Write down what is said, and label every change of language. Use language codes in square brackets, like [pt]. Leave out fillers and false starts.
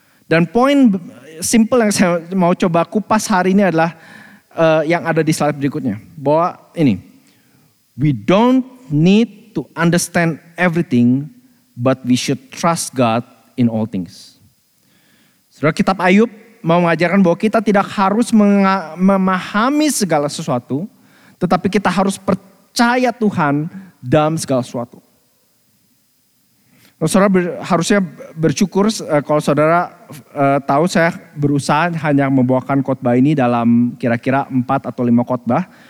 [id] Dan poin simple yang saya mau coba kupas hari ini adalah yang ada di slide berikutnya. Bahwa ini, [en] we don't need to understand everything, but we should trust God in all things. [id] Saudara, kitab Ayub mau mengajarkan bahwa kita tidak harus memahami segala sesuatu, tetapi kita harus percaya Tuhan dalam segala sesuatu. Saudara harusnya bersyukur, kalau saudara tahu saya berusaha hanya membawakan khotbah ini dalam kira-kira 4 atau 5 khotbah.